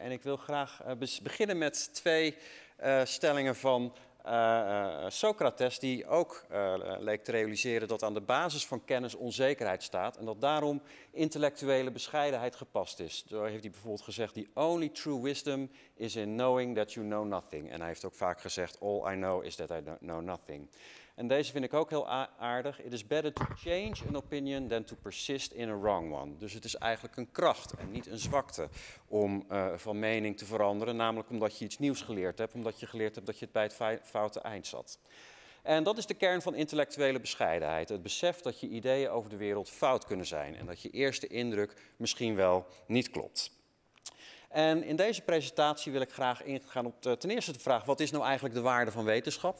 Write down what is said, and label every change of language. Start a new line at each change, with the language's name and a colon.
Dutch: En ik wil graag beginnen met twee stellingen van Socrates, die ook leek te realiseren dat aan de basis van kennis onzekerheid staat en dat daarom intellectuele bescheidenheid gepast is. Zo heeft hij bijvoorbeeld gezegd,
English: the only true wisdom is in knowing that you know nothing.
Dutch: En hij heeft ook vaak gezegd,
English: all I know is that I know nothing.
Dutch: En deze vind ik ook heel aardig.
English: It is better to change an opinion than to persist in a wrong one.
Dutch: Dus het is eigenlijk een kracht en niet een zwakte om van mening te veranderen. Namelijk omdat je iets nieuws geleerd hebt. Omdat je geleerd hebt dat je het bij het foute eind zat. En dat is de kern van intellectuele bescheidenheid. Het besef dat je ideeën over de wereld fout kunnen zijn. En dat je eerste indruk misschien wel niet klopt. En in deze presentatie wil ik graag ingaan op ten eerste de vraag, wat is nou eigenlijk de waarde van wetenschap?